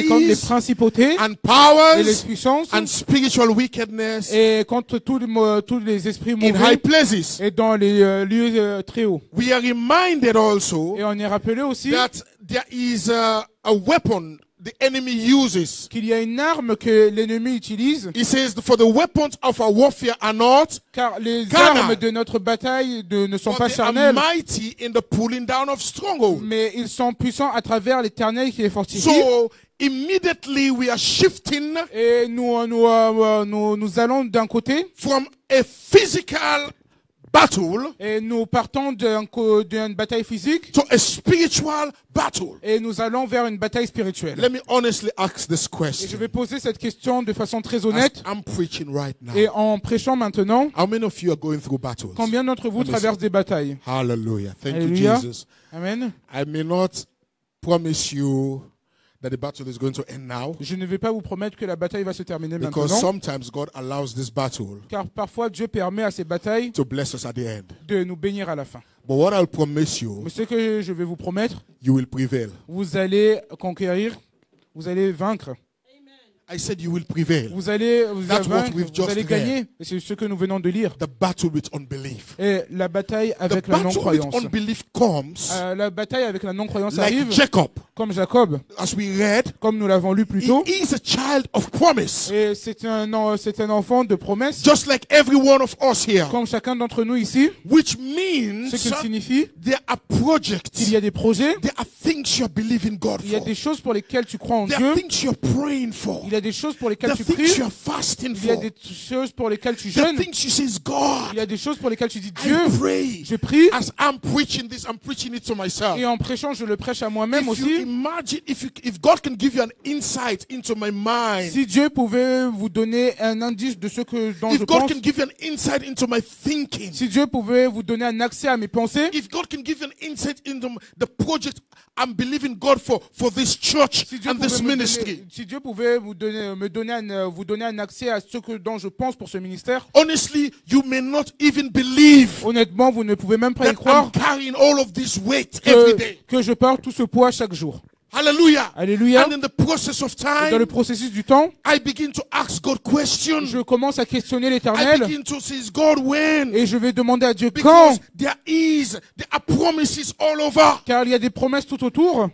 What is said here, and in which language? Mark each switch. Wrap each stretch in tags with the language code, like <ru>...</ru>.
<fr>et contre les principautés</fr> <en>and powers,</en> <fr>et les puissances</fr> <en>and spiritual wickedness,</en> <fr>et contre tous les esprits mauvais</fr> <en>in high places.</en> <fr>Et dans les lieux très hauts.</fr> <en>We are reminded also,</en> <fr>et on est rappelé aussi</fr> <en>that there is a weapon the enemy uses.</en> <fr>Qu'il y a une arme que l'ennemi utilise.</fr> <en>He says, "For the weapons of our warfare are not."</en> <fr>Car les</fr> <en>carnal,</en> <fr>armes de notre bataille ne sont pas charnelles.</fr> <en>They are mighty in the pulling down of strongholds.</en> <fr>Mais ils sont puissants à travers l'éternel qui les fortifie.</fr> <en>So immediately we are shifting.</en> <fr>Et nous allons d'un côté.</fr> <en>From a physical battle.</en> <fr>Et nous partons d'une bataille physique.</fr> <en>To a spiritual battle.</en> <fr>Et nous allons vers une bataille spirituelle.</fr> <en>Let me honestly ask this question.</en> <fr>Et je vais poser cette question de façon très honnête.</fr> <en>As I'm preaching right now.</en> <fr>Et en prêchant maintenant.</fr> <en>How many of you are going through battles?</en> <fr>Combien d'entre vous traversent des batailles?</fr> <en>Hallelujah. Thank Alleluia. You, Jesus. Amen. I may not promise you that the battle is going to end now.</en> <fr>Je ne vais pas vous promettre que la bataille va se terminer</fr> <en>because</en> <fr>maintenant.</fr> <en>Because sometimes God allows this battle.</en> <fr>Car parfois Dieu permet à ces batailles</fr> <en>to bless us at the end.</en> <fr>De nous bénir à la fin.</fr> <en>But what I'll promise you.</en> <fr>Mais ce que je vais vous promettre.</fr> <en>You will prevail.</en> <fr>Vous allez conquérir. Vous allez vaincre.</fr> <en>I said you will prevail.</en> <fr>Vous allez gagner. C'est ce que nous venons de lire.</fr> <en>The battle with unbelief.</en> <fr>Et la bataille avec la non-croyance.</fr> <en>The battle with unbelief comes.</en> <fr>La bataille avec la non-croyance</fr> <en>like</en> <fr>arrive.</fr> <en>Like Jacob.</en> <fr>Comme Jacob.</fr> <en>As we read.</en> <fr>Comme nous l'avons lu plus tôt.</fr> <en>He is a child of promise.</en> <fr>Et c'est un enfant de promesse.</fr> <en>Just like every one of us here.</en> <fr>Comme chacun d'entre nous ici.</fr> <en>Which means.</en> <fr>Ce que signifie.</fr> <en>There are projects.</en> <fr>Il y a des projets.</fr> <en>There are things you believe in God for.</en> <fr>Il y a des choses pour lesquelles tu crois en</fr> <en>There</en> <fr>Dieu.</fr> <en>There are things you're praying for.</en> <fr>Il y a des choses pour lesquelles tu pries.</fr> <en>You are fasting for.</en> <fr>Il y a des choses pour lesquelles tu jeûnes.</fr> <en>The things you say is God.</en> <fr>Il y a des choses pour lesquelles tu dis Dieu.</fr> <en>I pray.</en> <fr>Je prie.</fr> <en>As I'm preaching this, I'm preaching it to myself.</en> <fr>Et en prêchant, je le prêche à moi-même aussi.</fr> <en>If you imagine, if God can give you an insight into my mind.</en> <fr>Si Dieu pouvait vous donner un indice de ce que dont</fr> <en>if</en> <fr>je</fr> <en>God</en> <fr>pense.</fr> <en>Can give you an insight into my thinking.</en> <fr>Si Dieu pouvait vous donner un accès à mes pensées.</fr> <en>If God can give you an insight into the project I'm believing God for this church</en> <fr>si Dieu</fr> <en>and this ministry.</en> <fr>Donner, si Dieu pouvait vous donner un accès à ce que dont je pense pour ce ministère.</fr> <en>Honestly, you may not even believe.</en> <fr>Honnêtement, vous ne pouvez même pas y croire.</fr> <en>I'm carrying all of this weight every day.</en> <fr>Que je porte tout ce poids chaque jour. Hallelujah. Hallelujah.</fr> <en>And in the process of time.</en> <fr>Et dans le processus du temps.</fr> <en>I begin to ask God questions.</en> <fr>Je commence à questionner l'Éternel.</fr> <en>I begin to say, God, when?</en> <fr>Et je vais demander à Dieu</fr> <en>Because</en> <fr>quand?</fr> <en>There are promises all over.</en> <fr>Car il y a des promesses tout autour.</fr>